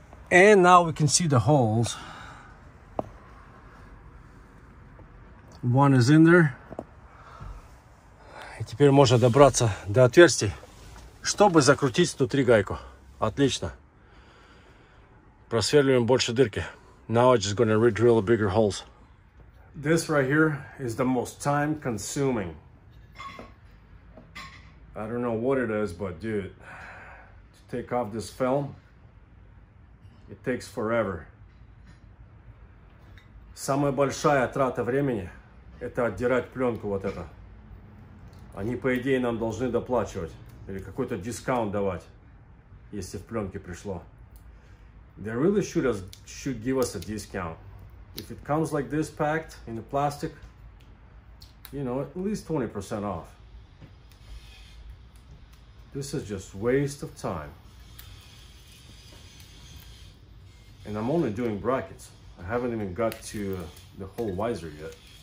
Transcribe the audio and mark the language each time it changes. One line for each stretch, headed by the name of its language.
English: And now we can see the holes. One is in there.
Russian: И теперь можно добраться до отверстий, чтобы закрутить внутри гайку. Отлично. Просверливаем больше дырки.
English: Now I'm just gonna re-drill bigger holes. This right here is the most time consuming. I don't know what it is, but dude, to take off this film, it takes forever.
Russian: Самая большая трата времени – это отдирать пленку вот эту. Они, по идее, нам должны доплачивать или какой-то дискаунт давать, если в пленке пришло.
English: They really should give us a discount. If it comes like this packed in the plastic, you know, at least 20% off. This is just waste of time. And I'm only doing brackets. I haven't even got to the whole visor yet.